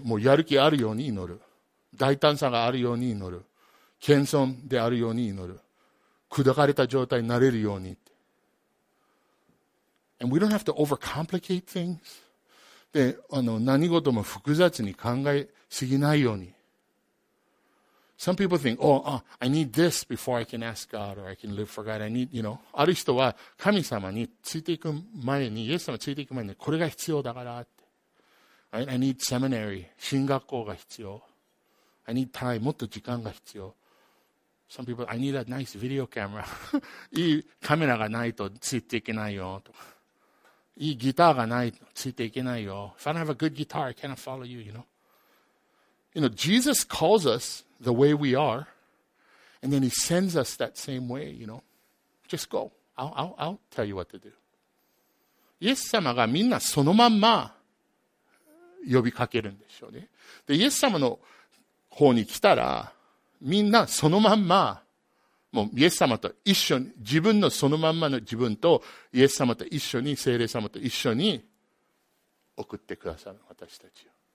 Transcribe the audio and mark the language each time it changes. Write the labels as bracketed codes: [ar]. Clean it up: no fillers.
[ja] もうやる気あるように祈る。大胆さがあるように祈る。謙遜であるように祈る。砕かれた状態になれるようにって。 [en] And we don't have to overcomplicate things. [ja] で、何事も複雑に考えすぎないように。 [en] Some people think, oh, I need this before I can ask God or I can live for God. I need, you know. [ja] ある人は神様についていく前に、イエス様についていく前にこれが必要だからって。 [en] I need seminary. [ja] 進学校が必要。 [en] I need time. [ja] もっと時間が必要。 [en] Some people, I need a nice video camera. [ja] いいカメラがないとついていけないよとか。いいギターがないとついていけないよ。 [en] If I don't have a good guitar, I cannot follow you, you know. You know, Jesus calls us the way we are, and then he sends us that same way, you know. Just go. I'll tell you what to do. [ja] イエス様がみんなそのまんま呼びかけるんでしょうね。で、イエス様の方に来たら、みんなそのまんま、もうイエス様と一緒に、自分のそのまんまの自分とイエス様と一緒に、聖霊様と一緒に送ってくださる私たちを。